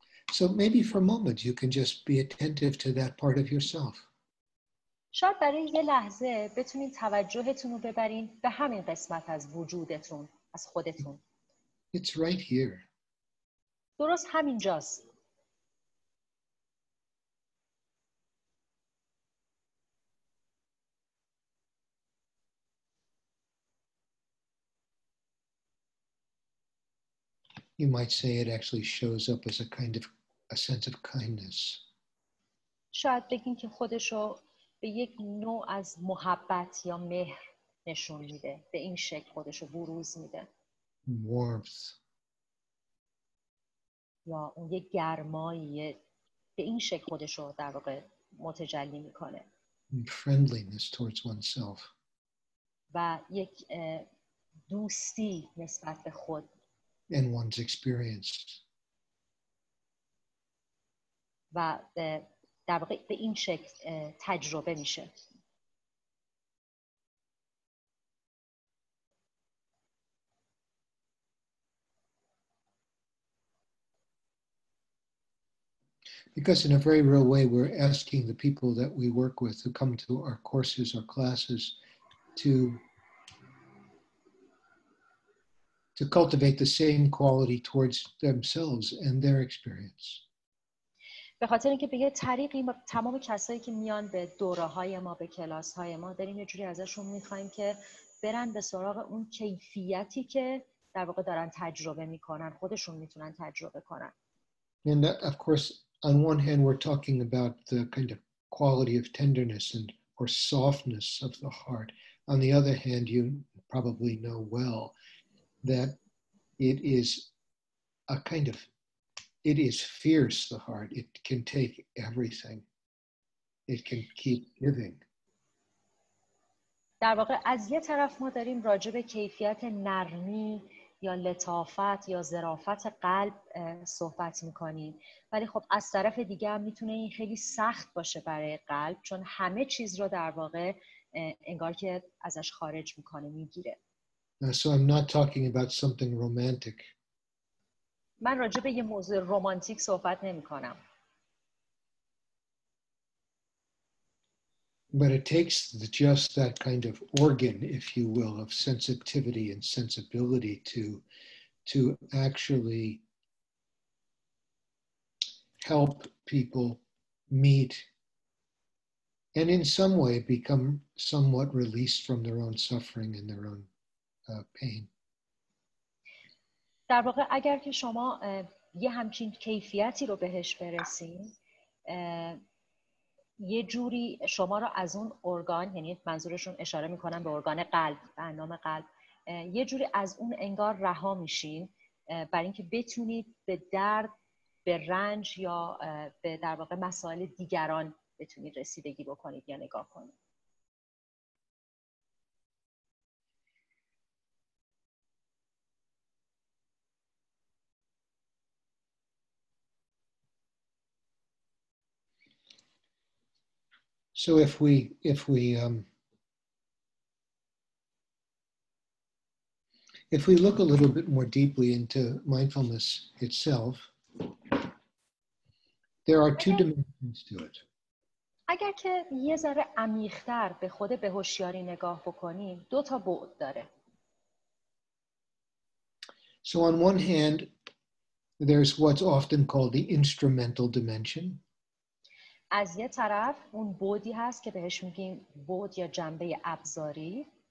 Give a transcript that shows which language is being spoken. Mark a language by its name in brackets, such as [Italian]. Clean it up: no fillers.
[English] So maybe for a moment you can just be attentive to that part of yourself. [Persian] شاید برای یه لحظه بتونین توجهتون رو ببرین به همین قسمت از وجودتون، از خودتون. [English] It's right here. [Persian] درست همینجاست. [English] You might say it actually shows up as a kind of a sense of kindness. [Persian] شاید بگین که خودشو به یک نوع از محبت یا مهر نشون میده. به این شکل خودشو بروز میده. [English] Warmth. [Persian] یا اون یک گرمایی به این شکل خودشو در واقع متجلی میکنه. [English] Friendliness towards oneself. [Persian] و یک دوستی نسبت به خود. [English] And one's experience. [Persian] و در واقع به این شکل تجربه میشه. [English] Because in a very real way we're asking the people that we work with who come to our courses or classes to cultivate the same quality towards themselves and their experience. [Persian] به خاطر اینکه به یه طریقی تمام کسایی که میان به دوره‌های ما به کلاس‌های ما داریم یه جوری ازشون می‌خوایم که برن به سراغ اون کیفیتی که در واقع دارن تجربه می‌کنن خودشون می‌تونن تجربه کنن. [English] And of course, on one hand we're talking about the kind of quality of tenderness and or softness of the heart. On the other hand, you probably know well that it is a kind of It is fierce, the heart. It can take everything. It can keep giving. [Persian] در واقع از یه طرف ما داریم راجع به کیفیت نرمی یا لطافت یا ظرافت قلب صحبت میکنیم. ولی خب از طرف دیگه هم میتونه این خیلی سخت باشه برای قلب چون همه چیز رو در واقع انگار که ازش خارج میکنه میگیره. [English] So I'm not talking about something romantic. [Persian] من راجع به یه موضوع رمانتیک صحبت نمی‌کنم. [English] But it takes just that kind of organ, if you will, of sensitivity and sensibility to actually help people meet and in some way become somewhat released from their own suffering and their own pain. [Persian] در واقع اگر که شما یه همچین کیفیتی رو بهش برسیم یه جوری شما رو از اون ارگان، یعنی منظورشون اشاره میکنن به ارگان قلب، به اندام قلب، یه جوری از اون انگار رها میشین برای اینکه بتونید به درد، به رنج یا به در واقع مسائل دیگران بتونید رسیدگی بکنید یا نگاه کنید. [English] So if we look a little bit more deeply into mindfulness itself, there are two dimensions to it. [Persian] اگر که یه ذره عمیق‌تر به خود بهوشیاری نگاه بکنیم، دو تا بُعد داره. [English] So on one hand, there's what's often called the instrumental dimension. [Persian] از یه طرف اون بودی هست که بهش میگیم بود یا جنبه ابزاری.